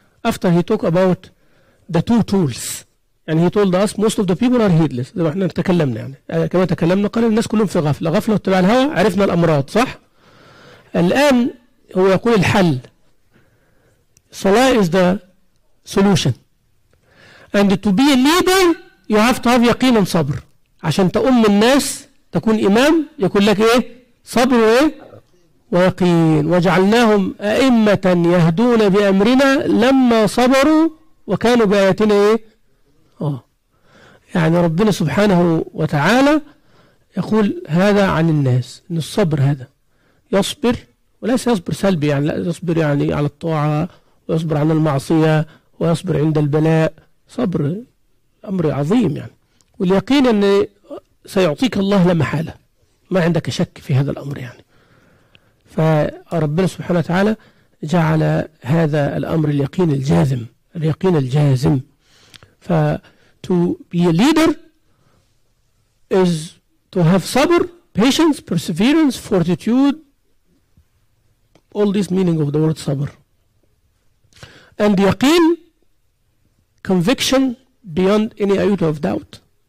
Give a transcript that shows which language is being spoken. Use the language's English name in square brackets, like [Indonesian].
[English] After he talked about the two tools and he told us most of the people are heedless. [Arabic] زي ما احنا تكلمنا يعني، كما تكلمنا قال الناس كلهم في غفله، غفله واتباع الهوى، عرفنا الامراض صح. الان هو يقول الحل، [English] salah is the solution and to be a leader you have to have [Arabic] يقين وصبر. عشان تؤم الناس تكون إمام يكون لك إيه؟ صبر وإيه؟ ويقين. وجعلناهم أئمة يهدون بأمرنا لما صبروا وكانوا بآياتنا إيه؟ يعني ربنا سبحانه وتعالى يقول هذا عن الناس، إن الصبر هذا يصبر، وليس يصبر سلبي يعني، لا يصبر يعني على الطاعة ويصبر عن المعصية ويصبر عند البلاء، صبر أمر عظيم يعني. واليقين أن سيعطيك الله لا محالة، ما عندك شك في هذا الأمر يعني. فربنا سبحانه وتعالى جعل هذا الأمر اليقين الجازم، اليقين الجازم. [English] ف to be a leader is to have صبر, patience, perseverance, fortitude, all this meaning of the word صبر. And يقين conviction beyond any iota of doubt.